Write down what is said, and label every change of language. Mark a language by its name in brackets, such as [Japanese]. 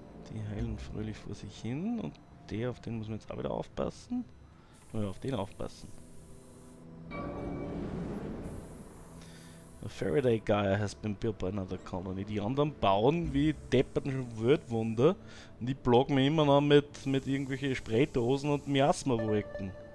[German] Die heilen fröhlich vor sich hin und der, auf den muss man jetzt auch wieder aufpassen. Oh ja, auf den aufpassen. [English] A Faraday Gaia has been built by another colony. [German] Die anderen bauen wie depperten Weltwunder und die blocken mir immer noch mit irgendwelchen Spraydosen und Miasma-Wolken.